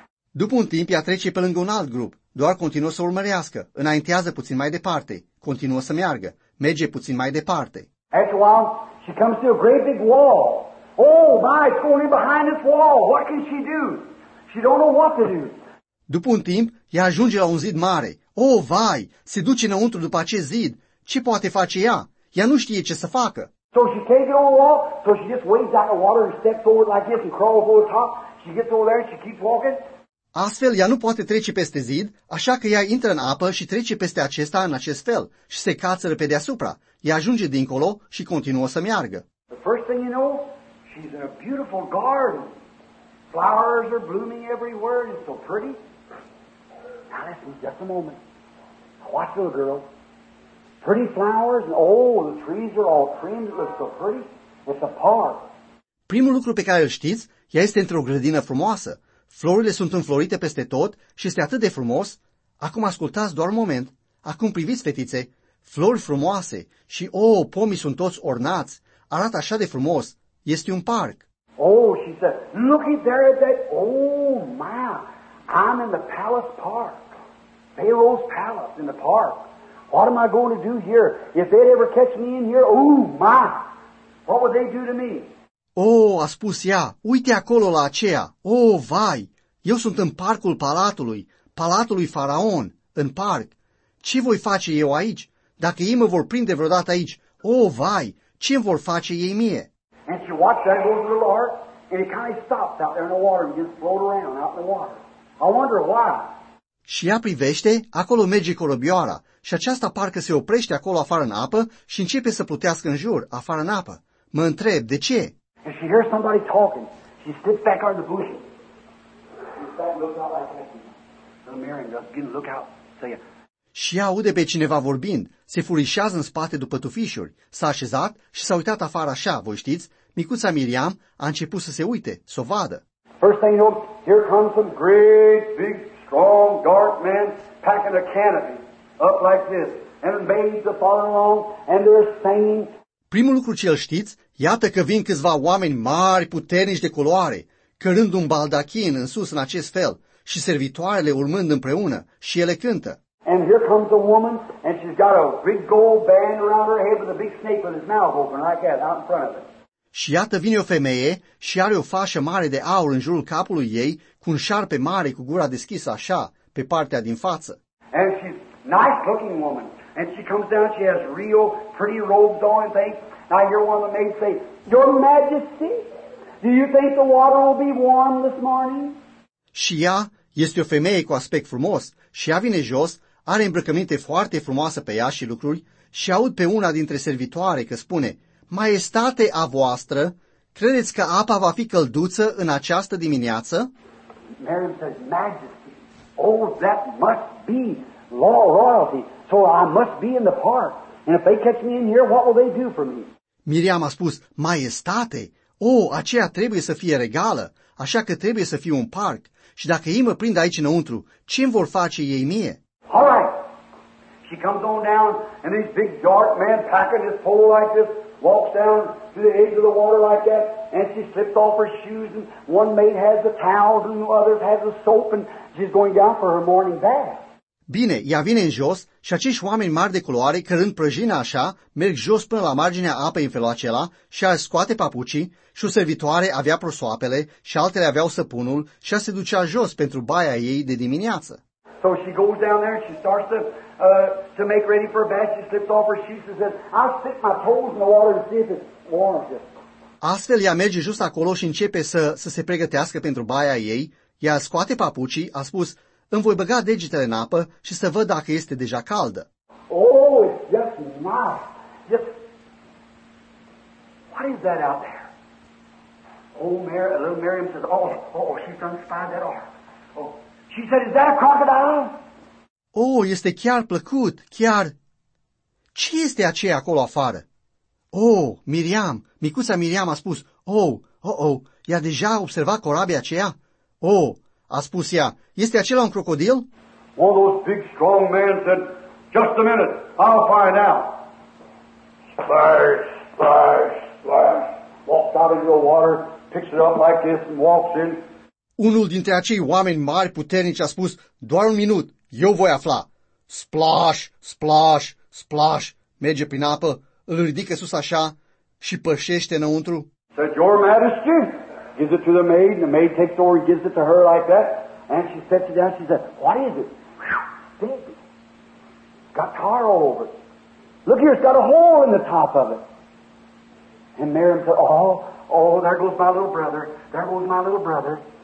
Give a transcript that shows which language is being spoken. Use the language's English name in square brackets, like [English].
[Romanian] După un timp, ea trece pe lângă un alt grup, doar continuă să urmărească, înaintează puțin mai departe, continuă să meargă, merge puțin mai departe. [English] After a while, she comes to a great big wall. Oh, my, it's going in behind this wall. What can she do? She don't know what to do. [Romanian] După un timp, ea ajunge la un zid mare. Oh, vai, se duce înăuntru după acest zid. Ce poate face ea? Ea nu știe ce să facă. [English] So she can't get on the wall, so she just wades out of the water and steps forward like this and crawls over the top. She gets over there and she keeps walking. [Romanian] Astfel, ea nu poate trece peste zid, așa că ea intră în apă și trece peste acesta în acest fel și se cațără pe deasupra. Ea ajunge dincolo și continuă să meargă. [English] The first thing you know, she's in a beautiful garden. Flowers are blooming everywhere and it's so pretty. Now listen, just a moment. Watch, little girl. Pretty flowers and oh, the trees are all trimmed. It looks so pretty. It's a park. [Romanian] Primul lucru pe care îl știți, ea este într-o grădină frumoasă. Florile sunt înflorite peste tot și este atât de frumos. Acum ascultați doar un moment. Acum priviți, fetițe, flori frumoase și, oh, pomii sunt toți ornați. Arată așa de frumos. Este un parc. [English] Oh, she said, look at there at that. Oh, my, I'm in the palace park. Pharaoh's palace in the park. What am I going to do here? If they'd ever catch me in here, oh, my, what would they do to me? [Romanian] Oh, a spus ea, uite acolo la aceea. Oh, vai, eu sunt în parcul palatului Faraon, în parc. Ce voi face eu aici? Dacă ei mă vor prinde vreodată aici, oh, vai, ce vor face ei mie? [English] And she watched that little ark, and it kind of stopped out there in the water and just floated around out in the water. I wonder why. [Romanian] Și ea privește, acolo merge corobioara, și aceasta parcă se oprește acolo afară în apă și începe să plutească în jur, afară în apă. Mă întreb, de ce? [English] And she hears somebody talking. She sits back under the bushes. She looks out like that. Miriam just begin to look out. Say it. [Romanian] Și ea aude pe cineva vorbind. Se furișează în spate după tufișuri. S-a așezat și s-a uitat afară așa, voi știți. Micuța Miriam a început să se uite, să o vadă. [English] First thing you know, here comes some great, big, strong, dark man packing a canopy up like this. And the maids are following along and they're singing. [Romanian] Primul lucru ce îl știți, iată că vin câțiva oameni mari, puternici de culoare, cărând un baldachin în sus în acest fel și servitoarele urmând împreună și ele cântă. [English] And here comes a woman and she's got a big gold band around her head with a big snake with its mouth open like that out in front of her. [Romanian] Și iată vine o femeie și are o fașă mare de aur în jurul capului ei cu un șarpe mare cu gura deschisă așa pe partea din față. [English] And she's a nice looking woman. And she comes down, she has real pretty robes on and things. And I hear one of the maids say, Your Majesty, Do you think the water will be warm this morning? [Romanian] Și ea este o femeie cu aspect frumos și ea vine jos, are îmbrăcăminte foarte frumoasă pe ea și lucruri și aud pe una dintre servitoare că spune, Maestate a voastră, credeți că apa va fi călduță în această dimineață? [English] Mary says, Majesty, oh, that must be law royalty, so I must be in the park. And if they catch me in here, what will they do for me? [Romanian] Miriam a spus, Maestate, oh, aceea trebuie să fie regală, așa că trebuie să fie un parc. Și dacă ei mă prind aici înăuntru, ce-mi vor face ei mie? [English] All right. She comes on down, and this big dark man packing his pole like this, walks down to the edge of the water like that, and she slipped off her shoes, and one maid has the towels, and the others has the soap, and she's going down for her morning bath. [Romanian] Bine, ea vine în jos și acești oameni mari de culoare, cărând prăjina așa, merg jos până la marginea apei în felul acela și ar scoate papucii și o servitoare avea prosoapele și altele aveau săpunul și ea se ducea jos pentru baia ei de dimineață. [English] So she goes down there, she starts to make ready for a bath, she slips off her shoes and says, I'll stick my toes in the water to see if it's warm. [Romanian] Astfel ea merge jos acolo și începe să se pregătească pentru baia ei, ea scoate papucii, a spus, îmi voi băga degetele în apă și să văd dacă este deja caldă. [English] Oh, it's just nice. Just... What is that out there? Oh, Mary, little Miriam says, oh, she's done spied that ark. Oh, she said, is that a crocodile? [Romanian] Oh, este chiar plăcut, chiar... Ce este aceea acolo afară? Oh, Miriam, micuța Miriam a spus, oh, ea deja a observat corabia aceea? Oh, a spus ea, este acela un crocodil? [English] One of those big strong men said, just a minute, I'll find out. Splash, splash, splash. Walks out into the water, picks it up like this and walks in. [Romanian] Unul dintre acei oameni mari puternici a spus, doar un minut, eu voi afla. Splash, splash, splash. Merge prin apă, îl ridică sus așa și pășește înăuntru. [English] Said, Your Majesty? Gives it to the maid, and the maid takes over and gives it to her like that, and she sets it down, she says, what is it? Dead. Got tar all over it. Look here, it's got a hole in the top of it. And Miriam said, oh, there goes my little brother, there goes my little brother.